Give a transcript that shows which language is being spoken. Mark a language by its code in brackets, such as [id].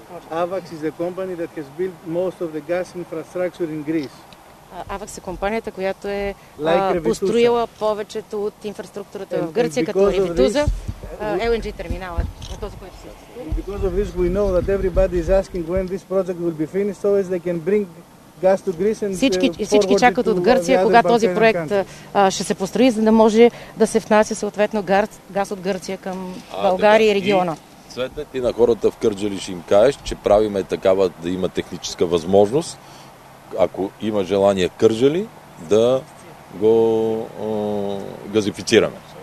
[en] AVAX is the company that has built most of the gas infrastructure in Greece. [bg] AVAX е компанията, която е построила повечето от инфраструктурата в Гърция, като Ревитуза, LNG терминала, на този, който се съществува. [en] Because of this we know that everybody is asking when this project will be finished, so as they can bring gas to Greece and [bg] всички чакат от Гърция, кога този проект ще се построи, за да може да се внася съответно газ от Гърция към България и региона. Цвете, ти на хората в Кърджали ще им кажеш, че правиме такава да има техническа възможност, ако има желание Кърджали, да го газифицираме.